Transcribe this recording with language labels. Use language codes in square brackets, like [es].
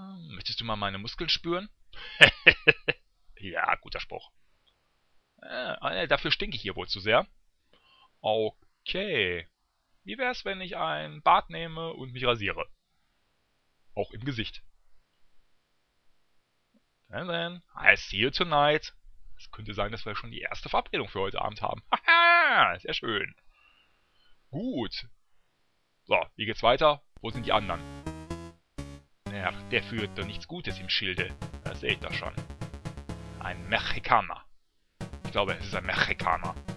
[de] Möchtest du mal meine Muskeln spüren? Ja, guter Spruch. Dafür stinke ich hier wohl zu sehr. Okay. Wie wär's, wenn ich ein Bad nehme und mich rasiere? Auch im Gesicht. [en] And then, I see you tonight. [de] Es könnte sein, dass wir schon die erste Verabredung für heute Abend haben. Haha, sehr schön. Gut. So, wie geht's weiter? Wo sind die anderen? Ja, der führt doch nichts Gutes im Schilde. Das sehe ich doch schon. Ein Mexikaner. Ich glaube, es ist ein Mexikaner.